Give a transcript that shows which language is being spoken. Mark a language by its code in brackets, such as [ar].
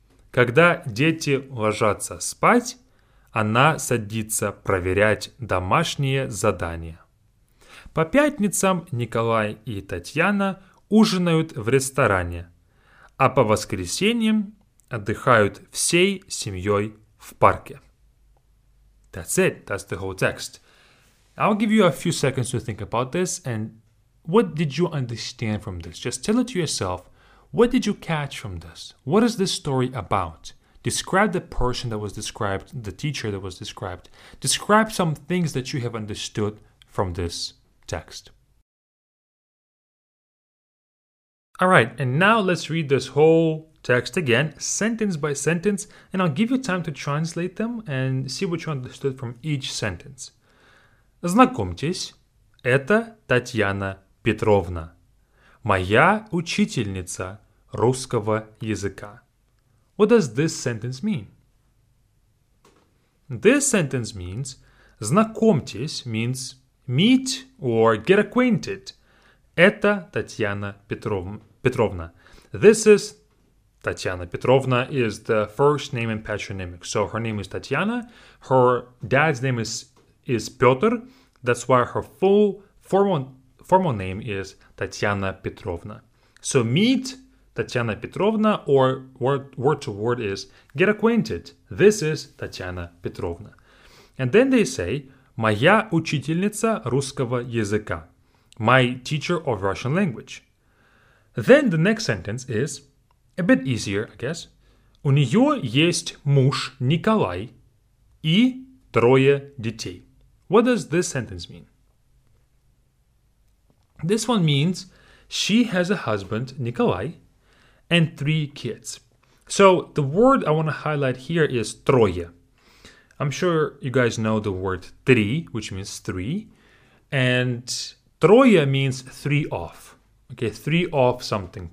[ru] Когда дети ложатся спать, она садится проверять домашние задания. По пятницам Николай и Татьяна ужинают в ресторане, а по воскресеньям отдыхают всей семьей в парке. [en] That's it. That's the whole text. I'll give you a few seconds to think about this. And what did you understand from this? Just tell it to yourself. What did you catch from this? What is this story about? Describe the person that was described, the teacher that was described. Describe some things that you have understood from this text. All right, and now let's read this whole text again, sentence by sentence, and I'll give you time to translate them and see what you understood from each sentence. [ru] Знакомьтесь, это Татьяна Петровна, моя учительница русского языка. [en] What does this sentence mean? This sentence means, знакомьтесь means meet or get acquainted. [ru] Это Татьяна Петровна. [en] This is Татьяна Петровна is the first name and patronymic. So her name is Татьяна. Her dad's name is Петр. That's why her full formal name is Татьяна Петровна. So meet Татьяна Петровна, or word to word is, get acquainted. This is Татьяна Петровна. And then they say, [ru] моя учительница русского языка. [en] My teacher of Russian language. Then the next sentence is, a bit easier, I guess. [ru] У нее есть муж Николай и трое детей. [en] What does this sentence mean? This one means, she has a husband, Николай, and three kids. So the word I want to highlight here is троє. I'm sure you guys know the word три, which means three. And троє means three of. Okay, three of something.